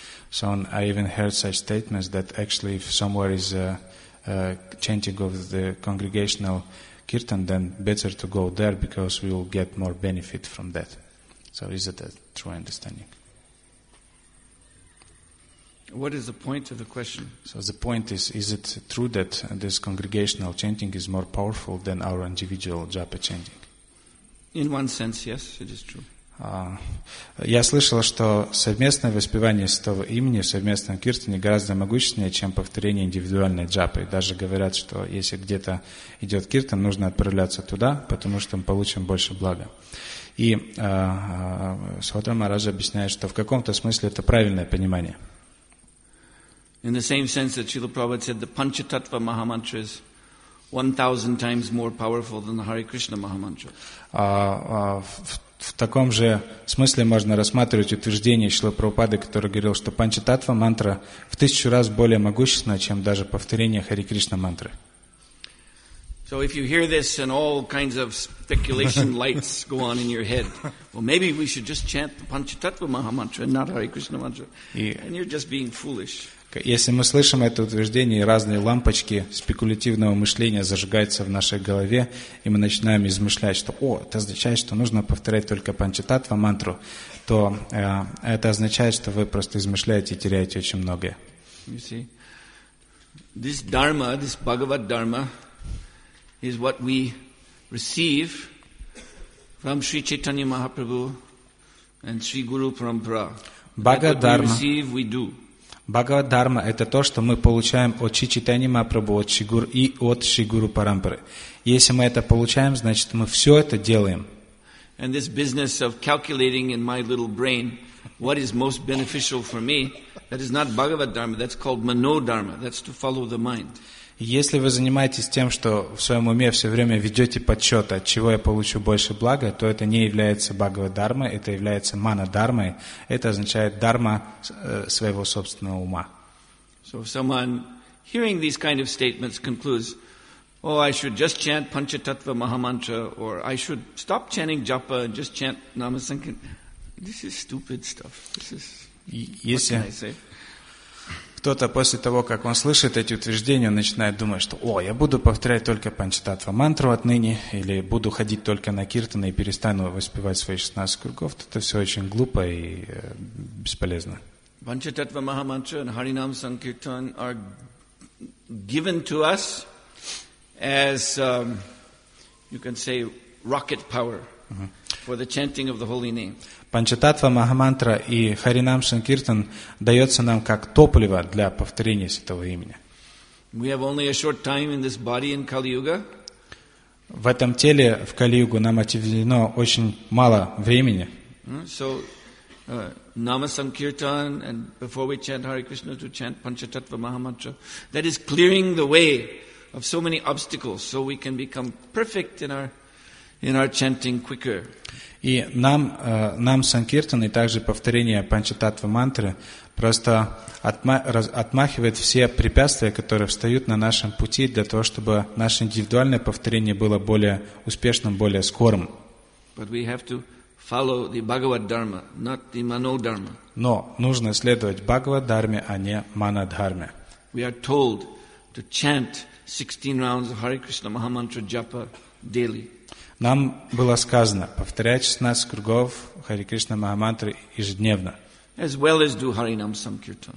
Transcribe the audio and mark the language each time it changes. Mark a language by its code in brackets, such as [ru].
[en] So I even heard such statements that actually if somewhere is a chanting of the congregational kirtan, then better to go there because we will get more benefit from that. So is that a true understanding? What is the point of the question? So the point is it true that this congregational chanting is more powerful than our individual japa chanting? In one sense, yes, it is true. [ru] Я слышал, что совместное воспевание святого имени в совместном киртане гораздо могущественнее, чем повторение индивидуальной джапы. Даже говорят, что если где-то идет киртан, нужно отправляться туда, потому что мы получим больше блага. И Сватра Махараджа объясняет, что в каком-то смысле это правильное понимание. [en] In the same sense that Srila Prabhupada said the Panchatattva Mahamantra is 1,000 times more powerful than the Hare Krishna Mahamantra. [ru] В таком же смысле можно рассматривать утверждение Шрилы Прабхупады, который говорил, что Панчататва мантра в 1000 раз более могущественна, чем даже повторение Хари Кришна мантры. [en] So if you hear this and all kinds of speculation lights go on in your head, well, maybe we should just chant the Panchatattva Mahamantra and not Hare Krishna mantra. And you're just being foolish. [ru] Если мы слышим это утверждение, и разные лампочки спекулятивного мышления зажигаются в нашей голове, и мы начинаем измышлять, что «О, это означает, что нужно повторять только Панчататва мантру», то это означает, что вы просто измышляете и теряете очень многое. [en] You see, this dharma, this Bhagavad dharma, is what we receive from Sri Chaitanya Mahaprabhu and Sri Guru Parampara. [ru] Бхагавад-дхарма. [en] What we receive, we do. [ru] Бхагавад-дхарма – это то, что мы получаем от Шри Чайтаньи Махапрабху и от Шри Гуру Парампары. Если мы это получаем, значит, мы все это делаем. [en] And this business of calculating in my little brain what is most beneficial for me, that is not Bhagavad-дхарма, that's called Mano-дхарма, that's to follow the mind. [ru] Если вы занимаетесь тем, что в своем уме все время ведете подсчет, от чего я получу больше блага, то это не является Бхагавад-дхармой, это является Мана-дхармой. Это означает дхарма своего собственного ума. [en] So if someone hearing these kind of statements concludes, oh, I should just chant Panchatattva Mahamantra, or I should stop chanting Japa and just chant Namasankin. This is stupid stuff. This is, what can I say? [ru] Кто-то после того, как он слышит эти утверждения, он начинает думать, что «О, я буду повторять только Панчататва мантру отныне, или буду ходить только на киртаны и перестану воспевать свои 16 кругов». Это все очень глупо и бесполезно. Панчататва Махамантра и Харинам Санкиртан [en] are given to us as, you can say, rocket power for the chanting of the holy name. [ru] Панчататва Махамантра и Харинам Санкиртан дается нам как топливо для повторения святого имени. [en] We have only a short time in this body in Kali-Yuga. [ru] В этом теле в Кали-Югу нам отведено очень мало времени. [en] So, Nama Sankirtan, and before we chant Hare Krishna, to chant Panchatattva Mahamantra, that is clearing the way of so many obstacles, so we can become perfect in our chanting quicker. [ru] И нам санкиртан и также повторение Панчататва мантры просто отмахивает все препятствия, которые встают на нашем пути для того, чтобы наше индивидуальное повторение было более успешным, более скорым. [en] But we have to follow the Bhagavad Dharma, not the Manodharma. [ru] Но нужно следовать Бхагавад Дхарме, а не Манодхарме. [en] We are told to chant 16 rounds of Hare Krishna Mahamantra Japa daily. [ru] Нам было сказано повторять 16 кругов Хари Кришна Махамантры ежедневно. [en] As well as do Харинам Санкиртан.